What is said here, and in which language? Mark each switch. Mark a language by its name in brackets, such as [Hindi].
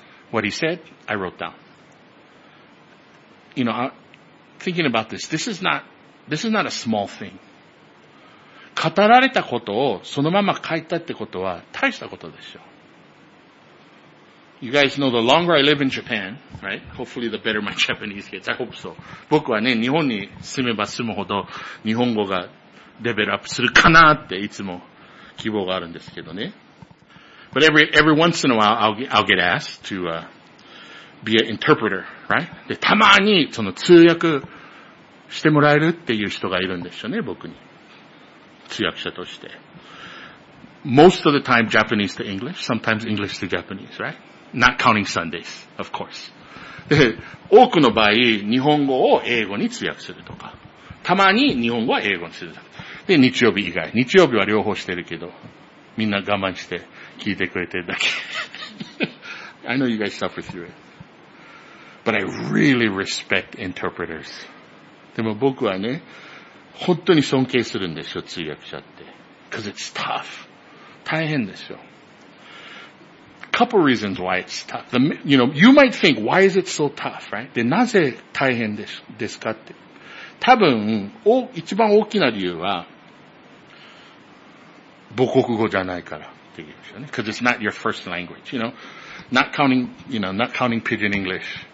[English] What he said, I wrote down. You know, thinking about this, this is not a small thing. [Japanese] 語られたことをそのまま書いたってことは大したことでしょう。 [English] You guys know the longer I live in Japan, right? Hopefully the better my Japanese gets. I hope so. [Japanese] 僕はね、日本に住めば住むほど日本語がレベルアップするかなっていつも希望があるんですけどね。 [English] But every once in a while, I'll get asked to, be an interpreter, right? [Japanese] で、たまにその通訳してもらえるっていう人がいるんでしょうね、僕に。通訳者として。 [English] Most of the time, Japanese to English, sometimes English to Japanese, right? Not counting Sundays, of course. [Japanese] 多くの場合、日本語を英語に通訳するとか。たまに日本語は英語にする。で、日曜日以外。日曜日は両方してるけど、みんな我慢して聞いてくれてるだけ。 [English] I know you guys suffer through it. But I really respect interpreters. [Japanese] でも僕はね、本当に尊敬するんですよ、通訳者って。 [English] Because it's tough. [Japanese] 大変ですよ。 [English] Couple reasons why it's tough. You might think, why is it so tough, right? [Japanese] で、なぜ大変ですかって。多分、一番大きな理由は、母国語じゃないからっていうんですよね。 [English] Because it's not your first language, you know. Not counting Pidgin English.